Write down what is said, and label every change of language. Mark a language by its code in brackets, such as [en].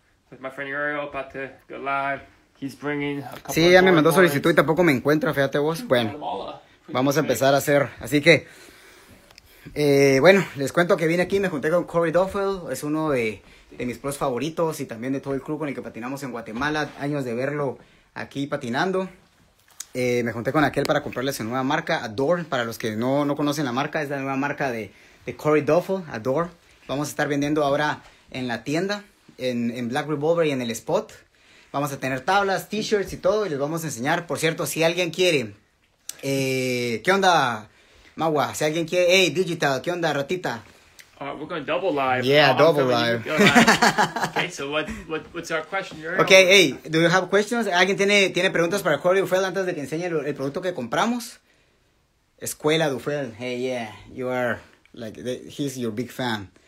[en] With my friend Uriel, about to go live. He's bringing. [es] Sí, ya me mandó solicitud y tampoco me encuentra, fíjate vos. Bueno. Vamos a empezar a hacer. Así que. Bueno, les cuento que vine aquí, me junté con Corey Duffel, es uno de mis pros favoritos y también de todo el club con el que patinamos en Guatemala, años de verlo aquí patinando. Me junté con aquel para comprarle su nueva marca, Adore. Para los que no conocen la marca, es la nueva marca de Corey Duffel, Adore. Vamos a estar vendiendo ahora en la tienda, en Black Revolver y en el Spot. Vamos a tener tablas, t-shirts y todo y les vamos a enseñar. Por cierto, si alguien quiere, ¿qué onda? Magua, si alguien quiere, hey, Digital, ¿qué onda, ratita? [en] We're going double live. Yeah, double live. Okay, so what's our question? Okay, hey, do you have questions? [es] ¿Alguien tiene preguntas para Corey Duffel antes de que enseñe el producto que compramos? [en] Escuela Duffel, hey, yeah, you are, like, he's your big fan.